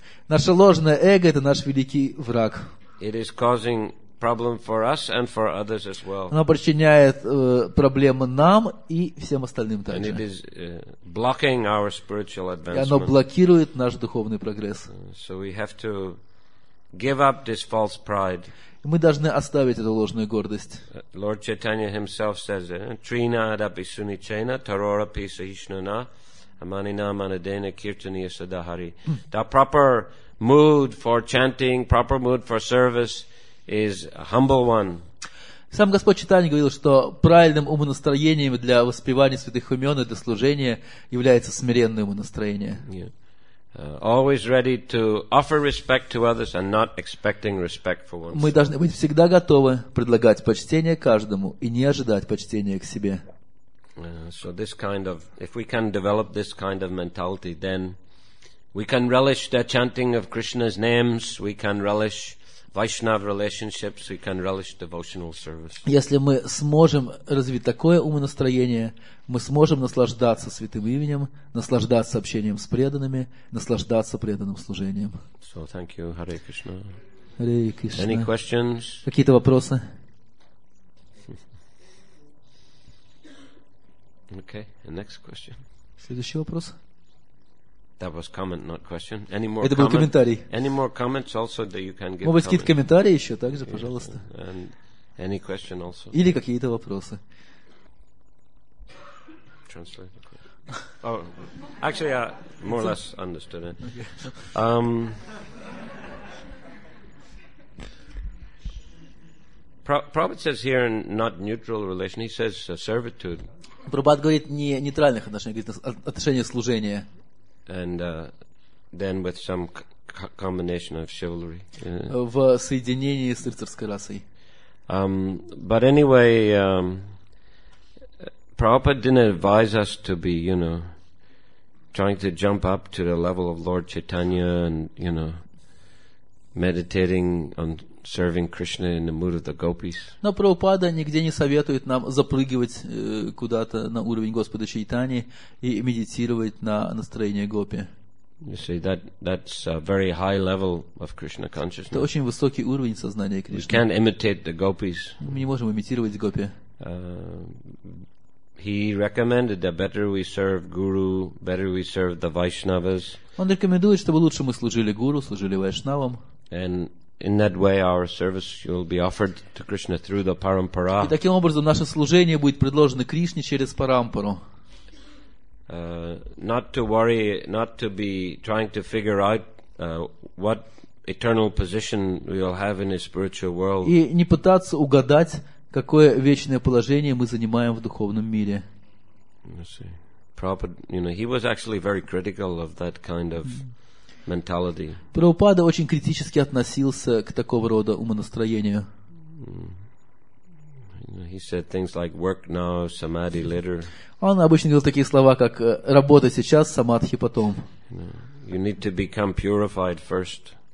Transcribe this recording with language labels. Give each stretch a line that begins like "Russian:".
Russian: Наше ложное эго — это наш великий враг.
English: It is causing problem for us and for others as well.
Russian: Оно причиняет проблемы нам и всем остальным также.
English: And it is blocking our spiritual advancement.
Russian: И оно блокирует наш духовный прогресс.
English: So we have to give up this false pride.
Russian: Мы должны оставить эту ложную гордость.
English: Lord Chaitanya himself says
Sanskrit: Trina adapi sunichena tarora pisa hishnana amanina manadena kirtaniya sadahari.
English: The proper mood for chanting, proper mood for service is a humble one.
Russian: Сам Господь Чайтанья говорил, что правильным умонастроением для воспевания святых имен и для служения является смиренное умонастроение.
English: Yeah. Always ready to offer respect to others and not expecting respect for oneself.
Russian: Мы должны быть всегда готовы предлагать почтение каждому и не ожидать почтения к себе.
English: So this kind of, if we can develop this kind of mentality, then we can relish the chanting of Krishna's names, we can relish Vaishnav relationships, we can relish devotional service.
Russian: Если мы сможем развить такое умонастроение, мы сможем наслаждаться святым именем, наслаждаться общением с преданными, наслаждаться преданным служением.
English: So thank you, Hare Krishna. Hare Krishna. Any questions?
Russian: Какие-то вопросы?
English: Okay, next question.
Russian: Следующий вопрос.
English: That was comment, not question. Any more?
Russian: Это был
English: comment?
Russian: Комментарий.
English: Any more comments also that you can give?
Russian: Может, какие-то комментарии еще также, пожалуйста.
English: And any question also?
Russian: Или какие-то вопросы.
English: Translate. Oh, actually, I more or less understood it. Prabhupada says here in not neutral relation. He says servitude.
Russian: Прабхупада говорит не нейтральных отношениях, говорит отношения служения.
English: And then with some combination of chivalry.
Russian: В соединении с рыцарской расой.
English: But anyway, Prabhupada didn't advise us to be, you know, trying to jump up to the level of Lord Chaitanya and, you know, meditating on serving Krishna in the mood of the gopis.
Russian: Но Прабхупада нигде не советует нам запрыгивать куда-то на уровень Господа Чайтани и медитировать на настроение гопи.
English: You see, that's a very high level of Krishna consciousness.
Russian: Это очень высокий уровень сознания Кришны.
English: We can't imitate the gopis.
Russian: Мы не можем имитировать гопи.
English: He recommended that better we serve Guru, better we serve the Vaishnavas.
Russian: Он рекомендует, чтобы лучше мы служили Гуру, служили Вайшнавам.
English: And in that way, our service will be offered to Krishna through the parampara.
Russian: И таким образом наше служение будет предложено Кришне через парампару.
English: Not to worry, not to be trying to figure out what eternal position we will have in the spiritual world.
Russian: И не пытаться угадать, какое вечное положение мы занимаем в духовном мире.
English: Let's see. Prabhupada, you know, he was actually very critical of that kind of. Mentality.
Russian: Прабхупада очень критически относился к такого рода умонастроению.
English: He said things like work now, samadhi later.
Russian: Он обычно говорил такие слова, как работа сейчас, самадхи потом.
English: You need to become purified first.